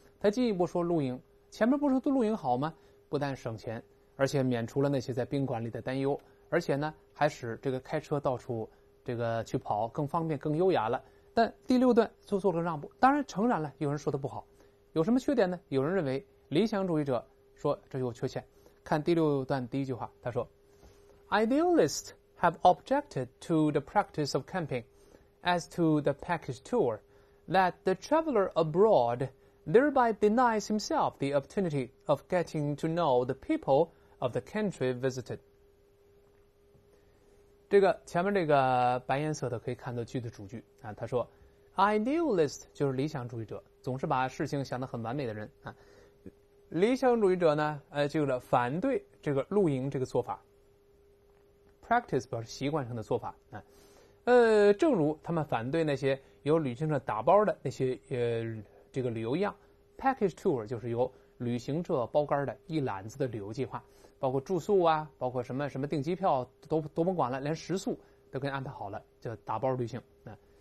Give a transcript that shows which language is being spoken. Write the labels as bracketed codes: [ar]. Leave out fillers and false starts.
[zh] 他进一步说，露营前面不是都露营好吗？不但省钱，而且免除了那些在宾馆里的担忧，而且呢，还使这个开车到处这个去跑更方便、更优雅了。但第六段就做了让步，当然诚然了。有人说的不好，有什么缺点呢？有人认为理想主义者说这有缺陷。看第六段第一句话，他说：“ [en] Idealists have objected to the practice of camping, as to the package tour, that the traveler abroad thereby denies himself the opportunity of getting to know the people of the country visited。” [zh] 这个前面这个白颜色的可以看到句的主句啊，他说。 Idealist 就是理想主义者，总是把事情想得很完美的人啊。理想主义者呢，就是反对这个露营这个做法。 Practice 表示习惯上的做法啊。正如他们反对那些由旅行社打包的那些这个旅游一样，package tour 就是由旅行社包干的一揽子的旅游计划，包括住宿啊，包括什么什么订机票都甭管了，连食宿都给你安排好了，叫打包旅行啊。